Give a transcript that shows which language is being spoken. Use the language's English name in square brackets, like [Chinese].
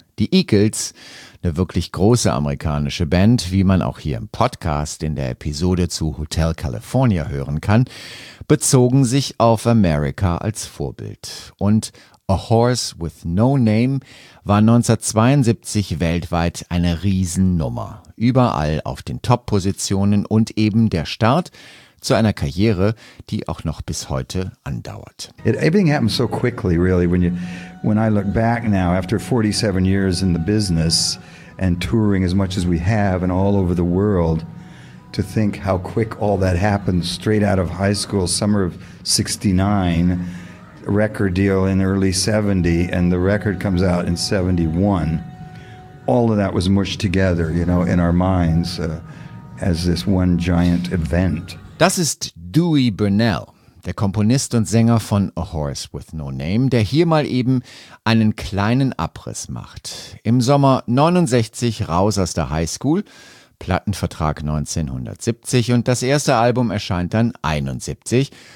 [German] Die Eagles, eine wirklich große amerikanische Band, wie man auch hier im Podcast in der Episode zu Hotel California hören kann, bezogen sich auf America als Vorbild. Und A Horse with No Name war 1972 weltweit eine Riesennummer. Überall auf den Top-Positionen und eben der Start zu einer Karriere, die auch noch bis heute andauert. [English] Everything happened so quickly, really, when I look back now, after 47 years in the business and touring as much as we have and all over the world, to think how quick all that happened straight out of high school, summer of 69, record deal in early 70, and the record comes out in 71. All of that was mushed together, you know, in our minds as this one giant event. [German] Das ist Dewey Burnell, der Komponist und Sänger von A Horse with No Name, der hier mal eben einen kleinen Abriss macht. Im Sommer 69 raus aus der Highschool, Plattenvertrag 1970 und das erste Album erscheint dann 71.